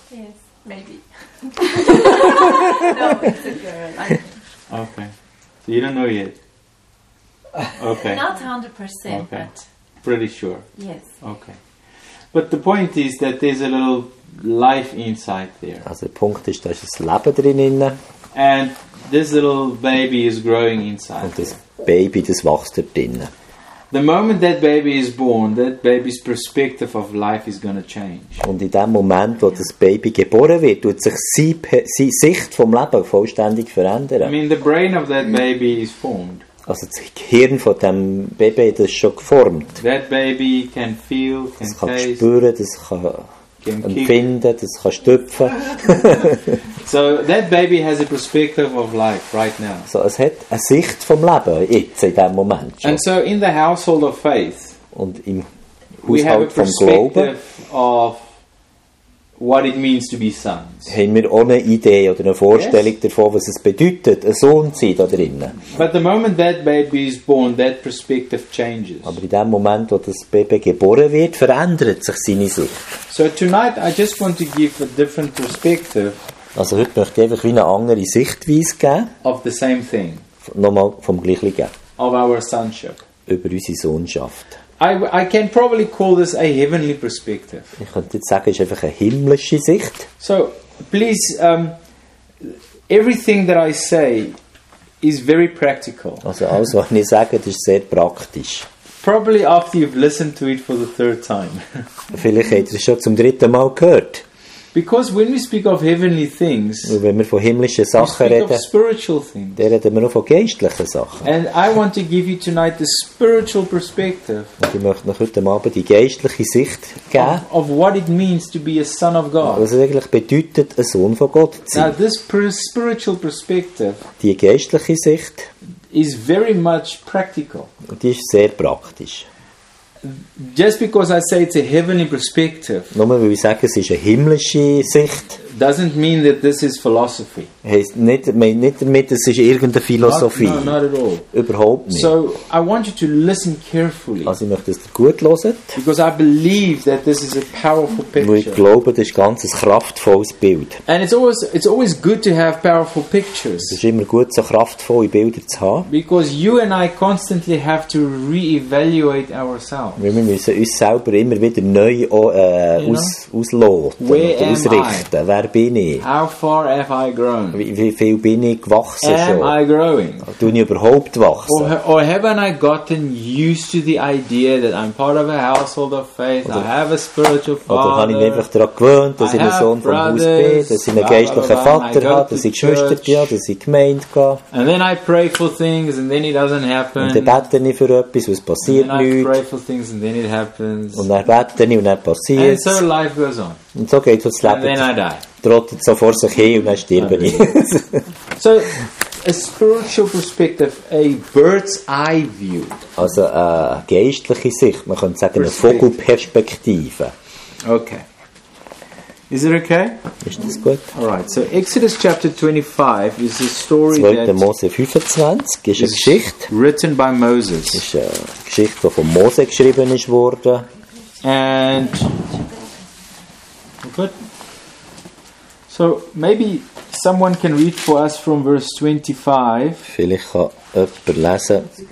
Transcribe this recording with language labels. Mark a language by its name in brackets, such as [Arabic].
[English] Yes, maybe. No, it's a girl. Okay. So you don't know yet? Okay. Not 100%, okay. But... pretty sure. Yes. Okay. But the point is that there's a little life inside there. [German] Also der Punkt ist, da ist das Leben drin. [English] And this little baby is growing inside. [German] Und das Baby, das wächst da drin. [English] The moment that baby is born, that baby's perspective of life is going to change. [German] Und in dem Moment, wo das Baby geboren wird, wird sich seine Sicht vom Leben vollständig verändern. [English] I mean, the brain of that baby is formed. [German] Also das Gehirn von dem Baby, das ist schon geformt. [English] That baby can feel, can [German] das kann [English] taste, [German] spüren, das kann empfinden, das kann stüpfen. [English] So that baby has a perspective of life right now. [German] So es hat eine Sicht vom Leben jetzt in dem Moment. [English] And so in the household of faith, [German] und im Haushalt vom Glauben, [English] of what it means to be sons. [German] Haben wir auch eine Idee oder eine Vorstellung, yes, davon, was es bedeutet, ein Sohn zu sein da drinnen. [English] But the moment that baby is born, that perspective changes. [German] Aber in dem Moment, wo das Baby geboren wird, verändert sich seine Sicht. [English] So tonight I just want to give a different perspective. [German] Also heute möchte ich einfach wie eine andere Sichtweise geben. [English] Of the same thing. [German] Nochmal vom Gleichen. [English] Of our sonship. [German] Über unsere Sohnschaft. [English] I can probably call this a heavenly perspective. [German] Ich könnte jetzt sagen, es ist einfach eine himmlische Sicht. [English] So, please, everything that I say is very practical. [German] Also alles, was ich sage, das ist sehr praktisch. [English] Probably after you've listened to it for the third time. [German] Vielleicht habt ihr es schon zum dritten Mal gehört. [English] Because when we speak of heavenly things, [German] wenn wir von himmlischen Sachen reden, [English] of spiritual things, [German] dann reden wir nur von geistlichen Sachen. [English] And I want to give you tonight the spiritual perspective. [German] Und ich möchte noch heute Abend die geistliche Sicht geben. [English] Of what it means to be a son of God. [German] Was es eigentlich bedeutet, ein Sohn von Gott zu sein. [English] Now this spiritual perspective, [German] die geistliche Sicht, [English] is very much practical. [German] Die ist sehr praktisch. [English] Just because I say it's a heavenly perspective, [German] nur weil ich sage, es ist eine himmlische Sicht, [English] doesn't mean that this is philosophy. [German] Heißt nicht damit, es ist irgendeine Philosophie. [English] No, not at all. [German] Überhaupt nicht. [English] So I want you to listen carefully. [German] Also ich möchte, dass ihr gut hört. [English] Because I believe that this is a powerful picture. [German] Weil ich glaube, das ist ganz ein kraftvolles Bild. [English] And it's always good to have powerful pictures. [German] Es ist immer gut, so kraftvolle Bilder zu haben. [English] Because you and I constantly have to reevaluate ourselves. [German] Weil wir müssen uns selber immer wieder neu ausloten und ausrichten. Wer bin ich? [English] How far have I grown? [German] Wie viel bin ich gewachsen am schon? [English] I growing? [German] Tun ich überhaupt wachsen? [English] Or haven't I gotten used to the idea that I'm part of a household of faith, [German] oder, [English] I have a spiritual father, [German] habe ich mich einfach daran gewöhnt, dass ich ein Sohn vom Haus bin, dass ich einen geistlichen Vater habe, dass ich Geschwister bin, dass ich Gemeinde gehe. [English] And then I pray for things and then it doesn't happen. [German] Und dann bete ich für etwas, was passiert nicht. [English] And I pray for things and then it happens. [German] Und dann bete ich und dann passiert. [English] And so life goes on. [German] Und so geht das Leben. [English] And then I die. [German] Trottet so vor sich hin und dann stirbe ich. [English] So, a spiritual perspective, a bird's eye view. [German] Also eine geistliche Sicht, man könnte sagen eine Vogelperspektive. [English] Okay. Is it okay? [German] Ist das gut? [English] Alright, so Exodus chapter 25 is a story that... [German] 2. Mose 25 ist eine Geschichte. [English] Written by Moses. [German] Ist eine Geschichte, die von Mose geschrieben ist worden. [English] And... good. So maybe someone can read for us from verse 25. [German] Vielleicht kann jemand lesen.